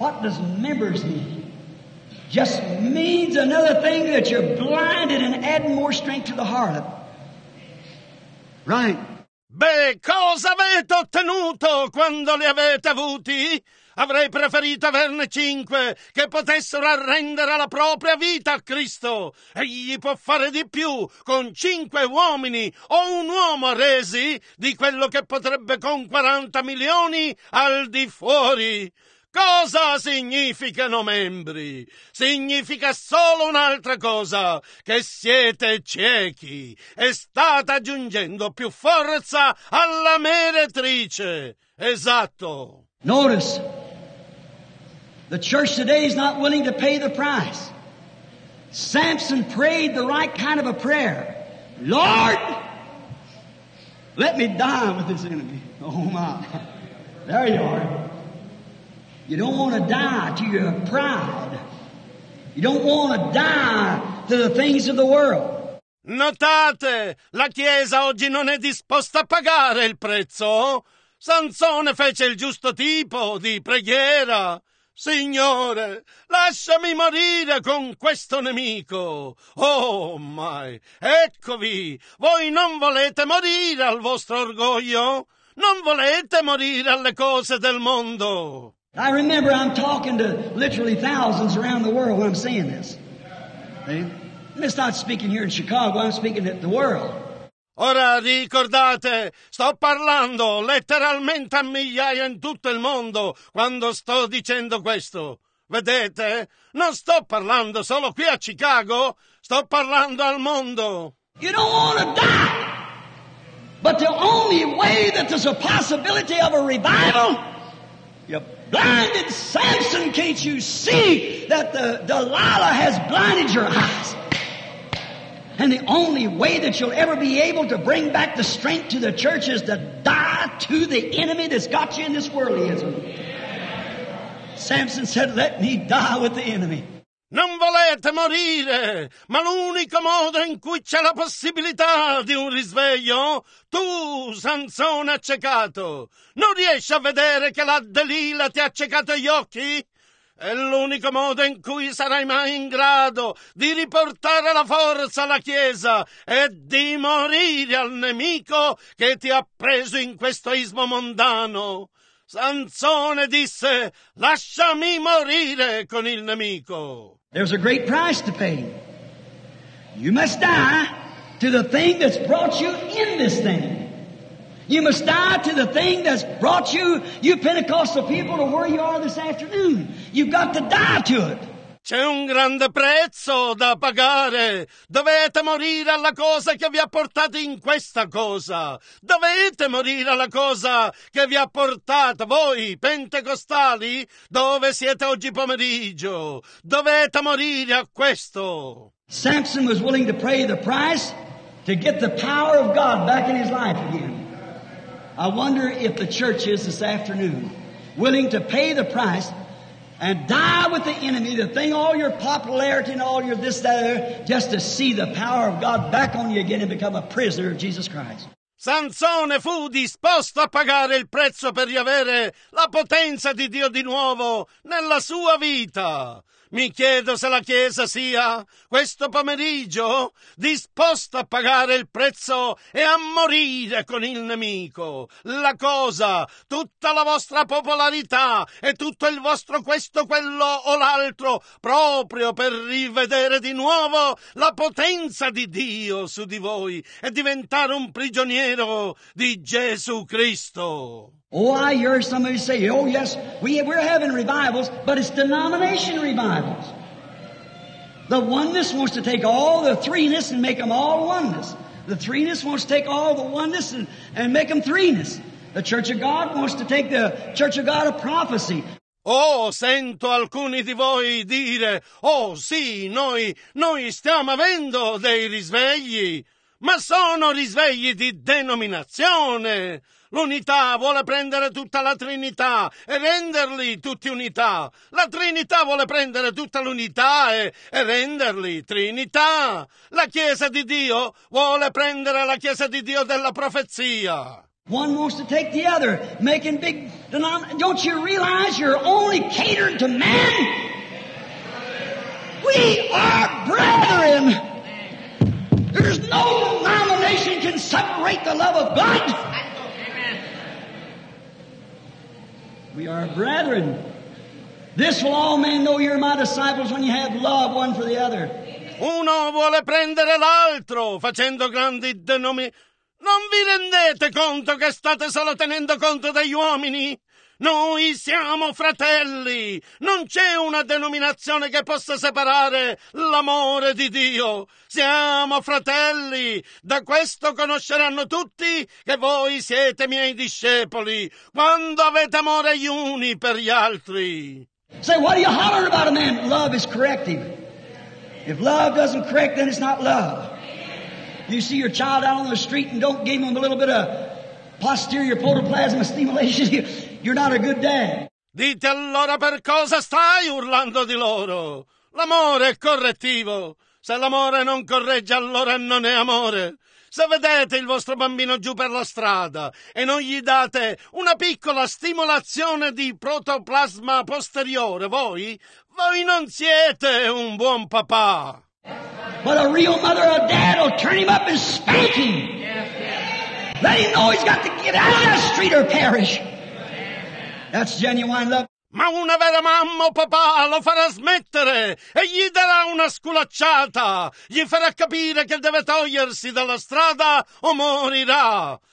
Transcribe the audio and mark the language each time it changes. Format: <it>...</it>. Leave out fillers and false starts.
<en>what does members mean? Just means another thing that you're blinded and adding more strength to the heart of. Right.</en> <it>Beh, cosa avete ottenuto quando li avete avuti? Avrei preferito averne cinque che potessero arrendere la propria vita a Cristo. Egli può fare di più con cinque uomini o un uomo resi di quello che potrebbe con 40 milioni al di fuori. Cosa significano membri? Significa solo un'altra cosa, che siete ciechi e state aggiungendo più forza alla meretrice. Esatto.</it> <en>Notice, the church today is not willing to pay the price. Samson prayed the right kind of a prayer. Lord, let me die with this enemy. Oh my, there you are. You don't want to die to your pride. You don't want to die to the things of the world.</en> <it>Notate, la Chiesa oggi non è disposta a pagare il prezzo. Sansone fece il giusto tipo di preghiera. Signore, lasciami morire con questo nemico. Oh, mai. Eccovi, voi non volete morire al vostro orgoglio? Non volete morire alle cose del mondo?</it> <en>I remember I'm talking to literally thousands around the world when I'm saying this. I'm just not speaking here in Chicago, I'm speaking to the world.</en> <it>Ora ricordate, sto parlando letteralmente a migliaia in tutto il mondo quando sto dicendo questo. Vedete? Non sto parlando solo qui a Chicago, sto parlando al mondo.</it> <en>You don't want to die, but the only way that there's a possibility of a revival, you're blinded. Samson, can't you see that the Delilah has blinded your eyes? And the only way that you'll ever be able to bring back the strength to the church is to die to the enemy that's got you in this worldlyism. Samson said, let me die with the enemy.</en> <it>Non volete morire, ma l'unico modo in cui c'è la possibilità di un risveglio, tu, Sansone accecato, non riesci a vedere che la Delilah ti ha accecato gli occhi? È l'unico modo in cui sarai mai in grado di riportare la forza alla Chiesa e di morire al nemico che ti ha preso in questo ismo mondano. Sansone disse, lasciami morire con il nemico.</it> <en>There's a great price to pay. You must die to the thing that's brought you in this thing. You must die to the thing that's brought you, you Pentecostal people, to where you are this afternoon. You've got to die to it.</en> <it>C'è un grande prezzo da pagare. Dovete morire alla cosa che vi ha portato in questa cosa. Dovete morire alla cosa che vi ha portato, voi, pentecostali, dove siete oggi pomeriggio. Dovete morire a questo.</it> <en>Samson was willing to pay the price to get the power of God back in his life again. I wonder if the church is this afternoon willing to pay the price and die with the enemy, the thing, all your popularity and all your this, that, other, just to see the power of God back on you again and become a prisoner of Jesus Christ.</en> <it>Sansone fu disposto a pagare il prezzo per riavere la potenza di Dio di nuovo nella sua vita. Mi chiedo se la Chiesa sia, questo pomeriggio, disposta a pagare il prezzo e a morire con il nemico. La cosa, tutta la vostra popolarità e tutto il vostro questo, quello o l'altro, proprio per rivedere di nuovo la potenza di Dio su di voi e diventare un prigioniero di Gesù Cristo.</it> <en>Oh, I hear somebody say, oh yes, we're having revivals, but it's denomination revivals. The oneness wants to take all the threeness and make them all oneness. The threeness wants to take all the oneness and make them threeness. The Church of God wants to take the Church of God of prophecy.</en> <it>Oh, sento alcuni di voi dire, oh sì, noi stiamo avendo dei risvegli, ma sono risvegli di denominazione. L'unità vuole prendere tutta la Trinità e renderli tutti unità. La Trinità vuole prendere tutta l'unità e renderli Trinità. La Chiesa di Dio vuole prendere la Chiesa di Dio della profezia.</it> <en>One wants to take the other, making big denominations. Don't you realize you're only catered to men? We are brethren. There's no denomination can separate the love of God. We are brethren. This will all men know you're my disciples when you have love one for the other.</en> <it>Uno vuole prendere l'altro facendo grandi Non vi rendete conto che state solo tenendo conto degli uomini? Noi siamo fratelli. Non c'è una denominazione che possa separare l'amore di Dio. Siamo fratelli. Da questo conosceranno tutti che voi siete miei discepoli. Quando avete amore gli uni per gli altri.</it> <en>Say, what are you hollering about a man? Love is corrective. If love doesn't correct, then it's not love. You see your child out on the street and don't give him a little bit of posterior protoplasma stimulation, you're not a good dad.</en> <it>Dite allora per cosa stai urlando di loro. L'amore è correttivo. Se l'amore non corregge, allora non è amore. Se vedete il vostro bambino giù per la strada e non gli date una piccola stimolazione di protoplasma posteriore, voi non siete un buon papà.</it> <en>But a real mother or dad will turn him up and spank him. Let him know he's got to get out of the street or perish. That's genuine love.</en> <it>Ma una vera mamma o papà lo farà smettere e gli darà una sculacciata. Gli farà capire che deve togliersi dalla strada o morirà.</it>